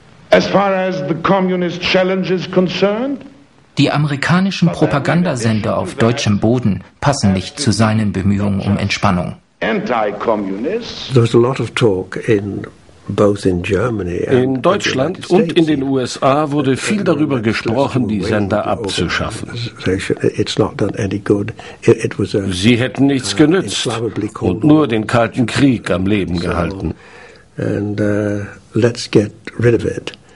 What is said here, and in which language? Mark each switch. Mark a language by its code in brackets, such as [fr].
[en] As far as the communist challenge is concerned. [de] Die amerikanischen Propagandasender auf deutschem Boden passen nicht zu seinen Bemühungen um Entspannung. [en] There's a lot of talk in both in Germany and [de] in Deutschland und in den USA wurde viel darüber gesprochen, die Sender abzuschaffen. Sie hätten nichts genützt und nur den Kalten Krieg am Leben gehalten. [en] And let's get rid of it.